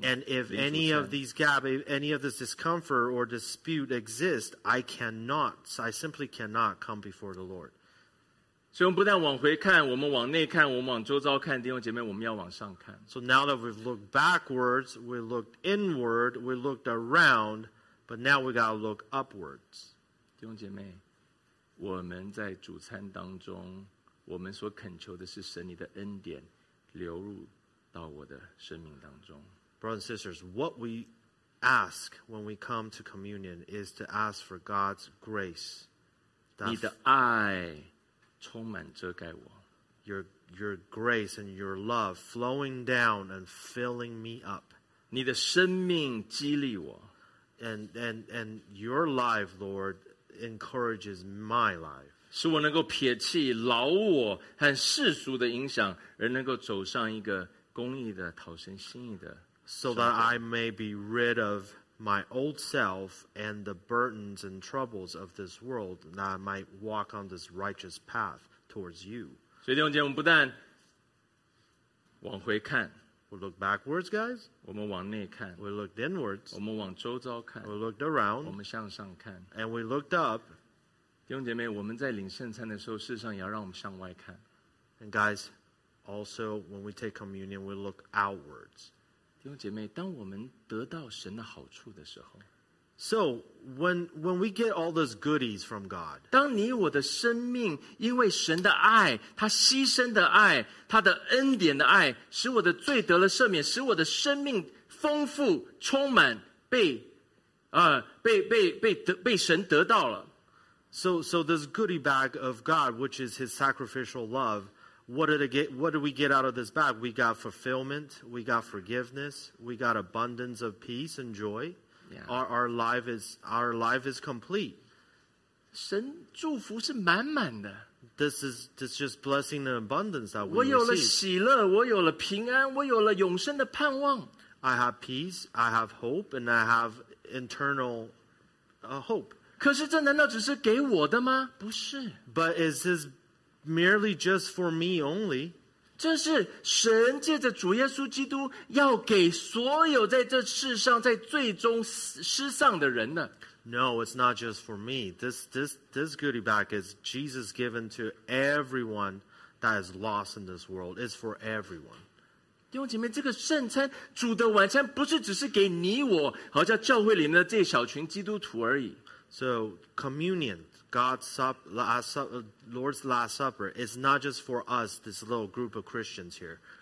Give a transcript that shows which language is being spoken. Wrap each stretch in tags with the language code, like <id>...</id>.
<en>And if any of these gaps, if any of this discomfort or dispute exists, I simply cannot come before the Lord.</en> <zh>所以我们不但往回看，我们往内看，我们往周遭看，弟兄姐妹，我们要往上看。</zh> <en>So now that we've looked backwards, we looked inward, we looked around. But now we got to look upwards.</en> <zh>弟兄姐妹, 我们在主餐当中, 我们所恳求的是神你的恩典, 流入到我的生命当中。</zh> <en>Brothers and sisters, what we ask when we come to communion is to ask for God's grace.</en> <zh>你的爱充满遮盖我。</zh> <en>your grace and your love flowing down and filling me up.</en> <zh>你的生命激励我,</zh> <en>and your life, Lord, encourages my life.</en> <zh>使我能够撇弃老我和世俗的影响，而能够走上一个公义的、讨神心意的。</zh> <en>So that I may be rid of my old self and the burdens and troubles of this world, that I might walk on this righteous path towards you.</en> <zh>所以弟兄姐妹，我们不但往回看。</zh> <en>We look backwards, guys.</en> <zh>我们往内看,</zh> <en>we looked inwards.</en> <zh>我们往周遭看,</zh> <en>we looked around.</en> <zh>我们向上看,</zh> <en>and we looked up.</en> <zh>弟兄姐妹，我们在领圣餐的时候，事实上也要让我们向外看。</zh> <en>And guys, also when we take communion, we look outwards.</en> <zh>弟兄姐妹，当我们得到神的好处的时候,</zh> <en>so when we get all those goodies from God,</en> <zh>当你我的生命因为神的爱，他牺牲的爱，他的恩典的爱，使我的罪得了赦免，使我的生命丰富充满，被神得到了。</zh> <en>So this goodie bag of God, which is His sacrificial love, what do we get out of this bag? We got fulfillment, we got forgiveness, we got abundance of peace and joy. Yeah. Our life is complete.</en> <zh>神祝福是满满的.</zh> <en>This is just blessing and abundance that we</en> <zh>我有了喜乐,</zh> <en>receive.</en> <zh>我有了平安, 我有了永生的盼望.</zh> <en>I have peace, I have hope, and I have internal hope.</en> <zh>可是这难道只是给我的吗? 不是.</zh> <en>But is this merely just for me only?</en> <zh>这是神借着主耶稣基督要给所有在这世上在最终失丧的人的。</zh> <en>No, it's not just for me. This goodie bag is Jesus given to everyone that is lost in this world. It's for everyone.</en> <zh>弟兄姐妹，这个圣餐，主的晚餐，不是只是给你我，好像教会里面的这小群基督徒而已。</zh> <en>So, communion. God's Lord's Supper is not just for us, this little group of Christians here.</en>